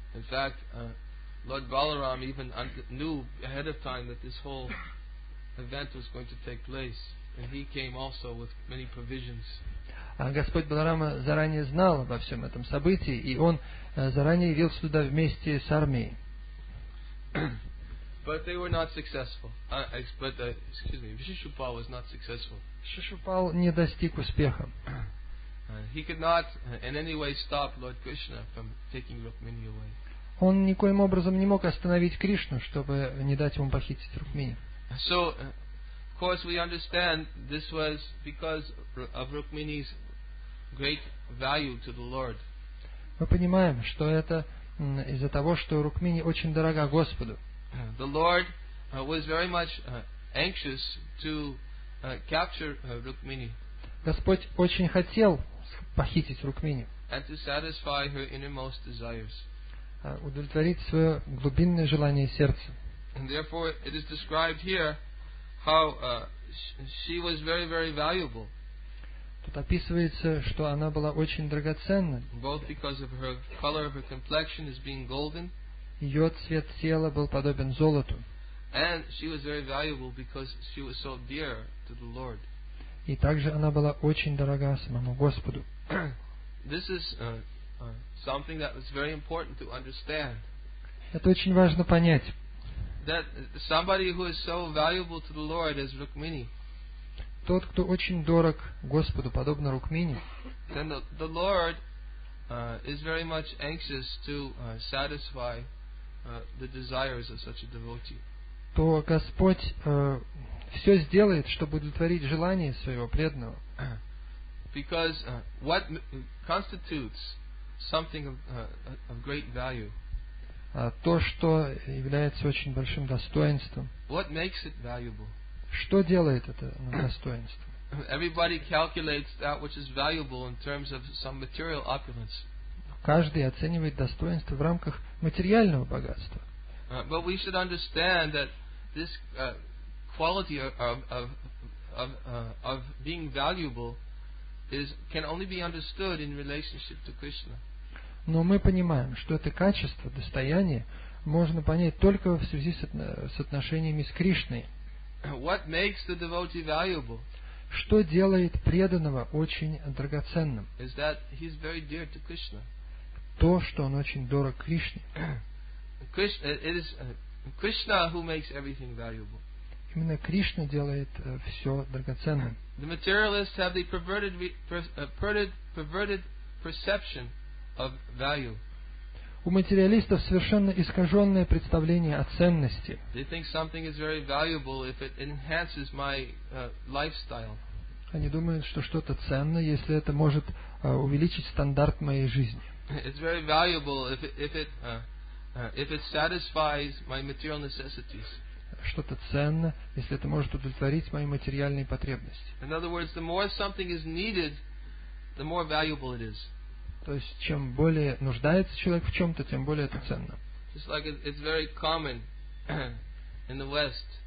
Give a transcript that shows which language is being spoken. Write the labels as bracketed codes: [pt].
[ru] А Господь Баларама заранее знал обо всем этом событии, и он заранее явился туда вместе с армией. [en] But they were not successful. Вишишупал was not successful. [ru] Вишишупал не достиг успеха. [en] He could not in any way stop Lord Krishna from taking Rukmini away. [ru] Он никоим образом не мог остановить Кришну, чтобы не дать ему похитить Рукмини. [en] So, of course, we understand this was because of Rukmini's great value to the Lord. [ru] Мы понимаем, что это из-за того, что Рукмини очень дорога Господу. [en] The Lord was very much anxious to capture Rukmini. [ru] Господь очень хотел похитить Рукмини. [en] And to satisfy her innermost desires. [ru] Удовлетворить свое глубинное желание сердца. [en] And therefore, it is described here how she was very, very valuable. [ru] Тут описывается, что она была очень драгоценна. [en] Both because of her color of her complexion as being golden. [ru] Ее цвет тела был подобен золоту. [en] And she was very valuable because she was so dear to the Lord. [ru] И также она была очень дорога самому Господу. [en] This is something that was very important to understand. [ru] Это очень важно понять. [en] That somebody who is so valuable to the Lord as Rukmini. [ru] Тот, кто очень дорог Господу, подобно Рукмини. [en] Then the Lord is very much anxious to satisfy the desires of such a devotee. [ru] То Господь все сделает, чтобы удовлетворить желание своего преданного. [en] Because what constitutes something of great value? [ru] То, что является очень большим достоинством. [en] What makes it valuable? [ru] Что делает это достоинством? [en] Everybody calculates that which is valuable in terms of some material opulence. [ru] Каждый оценивает достоинство в рамках материального богатства. [en] But we should understand that this quality of being valuable is can only be understood in relationship to Krishna. [ru] Но мы понимаем, что это качество, достояние, можно понять только в связи с отношениями с Кришной. [en] What makes the devotee valuable? [ru] Что делает преданного очень драгоценным? [en] Is that he's very dear to Krishna. [ru] То, что он очень дорог Кришне. [en] It is Krishna who makes everything valuable. [ru] Именно Кришна делает все драгоценным. [en] The materialists have the perverted perception of value. [ru] У материалистов совершенно искаженное представление о ценности. [en] They think something is very valuable if it enhances my lifestyle. [ru] Они думают, что что-то ценно, если это может увеличить стандарт моей жизни. [en] It's very valuable if it satisfies my material necessities. [ru] Что-то ценно, если это может удовлетворить мои материальные потребности. [en] In other words, the more something is needed, the more valuable it is. [ru] То есть, чем более нуждается человек в чем-то, тем более это ценно. [en] Just like it's very common in the West.